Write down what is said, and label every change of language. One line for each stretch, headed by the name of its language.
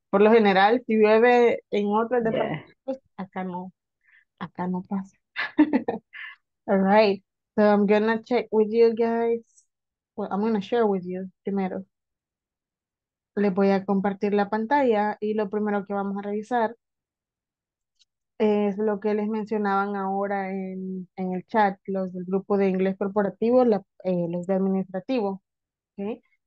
Spanish: Por lo general, si llueve en otros departamentos, acá no pasa.
English: All right, so I'm gonna check with you guys. Well, I'm gonna share with you primero.
Spanish: Le voy a compartir la pantalla y lo primero que vamos a revisar es lo que les mencionaban ahora en el chat, los del grupo de inglés corporativo, los de administrativo. ¿Okay?